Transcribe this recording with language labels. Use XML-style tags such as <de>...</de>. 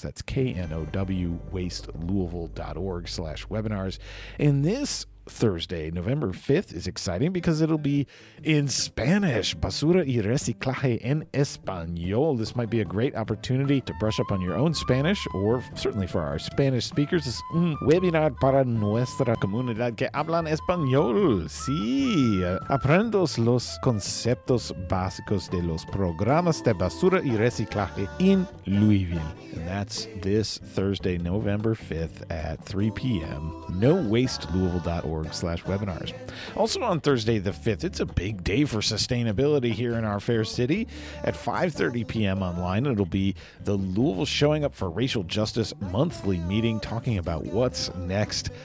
<en>That's nowastelouisville.org/webinars. And this Thursday, November 5th, is exciting because it'll be in Spanish,</en> <es>basura y reciclaje en español.</es> <en>This might be a great opportunity to brush up on your own Spanish, or certainly for our Spanish speakers.</en> <es>Es un webinar para nuestra comunidad que hablan español. Sí, aprendos los conceptos básicos de los programas de basura y reciclaje en Louisville.</es> <en>And that's this Thursday, November 5th at 3 p.m. nowastelouisville.org/webinars. Also on Thursday the 5th, it's a big day for sustainability here in our fair city. At 5:30 p.m. online, it'll be the Louisville Showing Up for Racial Justice monthly meeting talking about what's next.</en>